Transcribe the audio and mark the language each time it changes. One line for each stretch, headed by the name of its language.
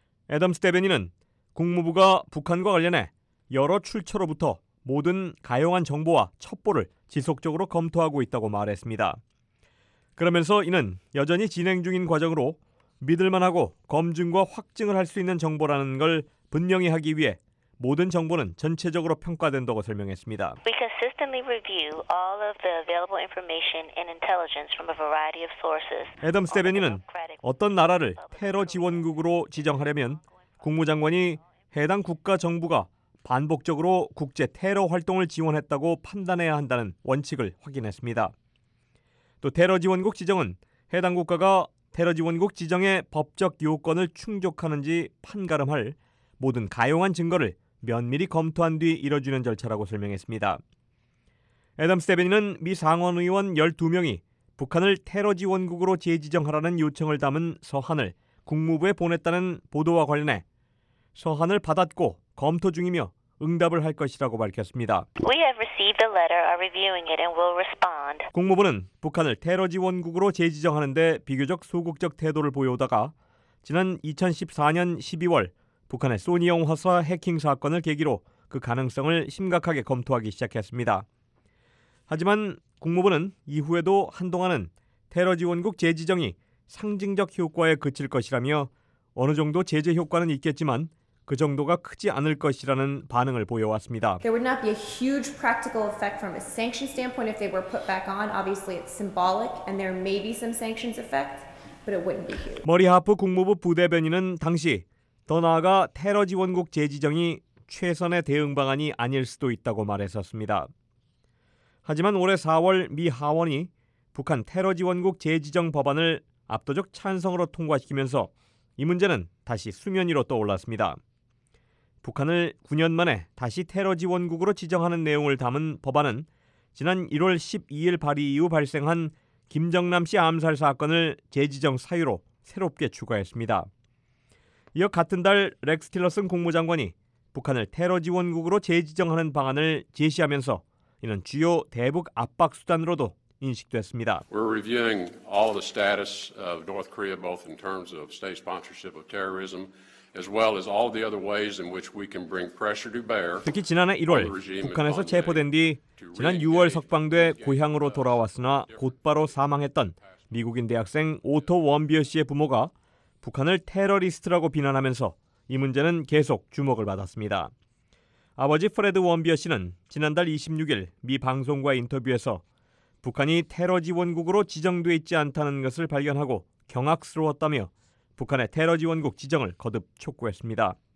Korean: 애덤스 대변인은 국무부가 북한과 관련해 여러 출처로부터 모든 가용한 정보와 첩보를 지속적으로 검토하고 있다고 말했습니다. 그러면서 이는 여전히 진행 중인 과정으로 믿을만하고 검증과 확증을 할 수 있는 정보라는 걸 분명히 하기 위해 모든 정보는 전체적으로 평가된다고 설명했습니다.
English: We consistently review all of the available information and intelligence from a variety of sources.
Korean: 애덤스 대변인은 어떤 나라를 테러 지원국으로 지정하려면 국무장관이 해당 국가 정부가 반복적으로 국제 테러 활동을 지원했다고 판단해야 한다는 원칙을 확인했습니다. 또 테러 지원국 지정은 해당 국가가 테러 지원국 지정의 법적 요건을 충족하는지 판가름할 모든 가용한 증거를 면밀히 검토한 뒤 이뤄지는 절차라고 설명했습니다. 애덤스 대변인은 미 상원의원 12명이 북한을 테러 지원국으로 재지정하라는 요청을 담은 서한을 국무부에 보냈다는 보도와 관련해 서한을 받았고 검토 중이며 응답을 할 것이라고 밝혔습니다.
English: We have received the letter, are reviewing it and will respond.
Korean: 국무부는 북한을 테러 지원국으로 재지정하는 데 비교적 소극적 태도를 보여오다가 지난 2014년 12월 북한의 소니 영화사 해킹 사건을 계기로 그 가능성을 심각하게 검토하기 시작했습니다. 하지만 국무부는 이후에도 한동안은 테러 지원국 재지정이 상징적 효과에 그칠 것이라며 어느 정도 제재 효과는 있겠지만 그 정도가 크지 않을 것이라는 반응을 보여왔습니다.
English: There would not be a huge practical effect from a sanction standpoint if they were put back on. Obviously, it's symbolic and there may be some sanctions effect, but it wouldn't be huge.
Korean: 머리 하프 국무부 부대변인은 당시 더 나아가 테러 지원국 재지정이 최선의 대응 방안이 아닐 수도 있다고 말했었습니다. 하지만 올해 4월 미 하원이 북한 테러 지원국 재지정 법안을 압도적 찬성으로 통과시키면서 이 문제는 다시 수면 위로 떠올랐습니다. 북한을 9년 만에 다시 테러 지원국으로 지정하는 내용을 담은 법안은 지난 1월 12일 발의 이후 발생한 김정남 씨 암살 사건을 재지정 사유로 새롭게 추가했습니다. 이어 같은 달 렉스 틸러슨 국무장관이 북한을 테러 지원국으로 재지정하는 방안을 제시하면서 이는 주요 대북 압박 수단으로도 인식됐습니다.
English: We're reviewing all the status of North Korea both in terms of state sponsorship of terrorism as well as all the other ways in which we can bring pressure to bear.
Korean: 특히 지난해 1월 북한에서 체포된 뒤 지난 6월 석방돼 고향으로 돌아왔으나 곧바로 사망했던 미국인 대학생 오토 원비어 씨의 부모가 북한을 테러리스트라고 비난하면서 이 문제는 계속 주목을 받았습니다. 아버지 프레드 원비어 씨는 지난달 26일 미 방송과 인터뷰에서 북한이 테러 지원국으로 지정돼 있지 않다는 것을 발견하고 경악스러웠다며 북한의 테러 지원국 지정을 거듭 촉구했습니다.